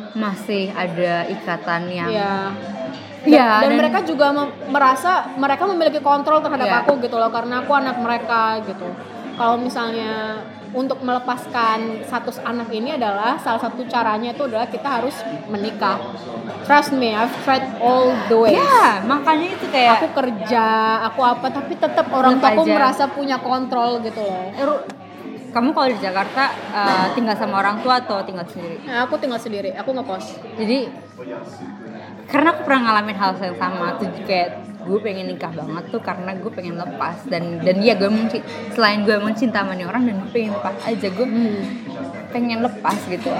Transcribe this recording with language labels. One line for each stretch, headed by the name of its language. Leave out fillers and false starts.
Indonesian: Masih ada ikatan yang dan mereka juga merasa mereka memiliki kontrol terhadap aku gitu loh, karena aku anak mereka gitu. Kalau misalnya untuk melepaskan status anak ini adalah salah satu caranya itu adalah kita harus menikah.
English: Trust me, I've tried all the ways.
Indonesian: Ya, makanya itu kayak aku kerja, aku apa, tapi tetap orang tua aku merasa punya kontrol gitu loh. Kamu kalau di Jakarta tinggal sama orang tua atau tinggal sendiri? Aku tinggal sendiri, aku ngekos. Jadi karena aku pernah ngalamin hal yang sama tuh, kayak gue pengen nikah banget tuh karena gue pengen lepas dan dia gue mungkin selain gue emang cinta sama orang dan gue pengen lepas aja, gue pengen lepas gitu.